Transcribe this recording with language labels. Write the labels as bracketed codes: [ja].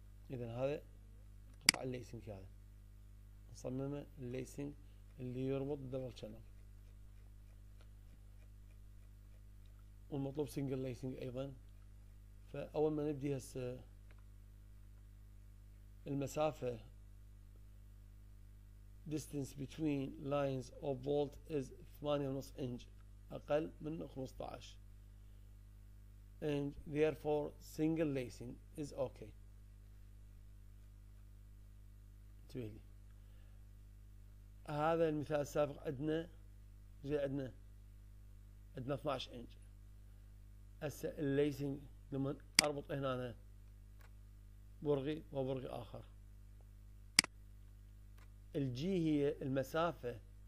[ar] اذا هذا قطع الليسنج هذا نصممه الليسنج اللي يربط دبل شانل والمطلوب سنجل ليسنج ايضا. فاول ما نبدي هسه المسافه [en] distance between lines of bolt is 8.5 inch [ar] أقل من [en] 15 inch therefore single lacing is okay. [ar] تبيلي هذا المثال السابق عندنا زي عندنا 12 inch هسه الليسنج لما اربط هنا أنا برغي وبرغي اخر الجي هي المسافة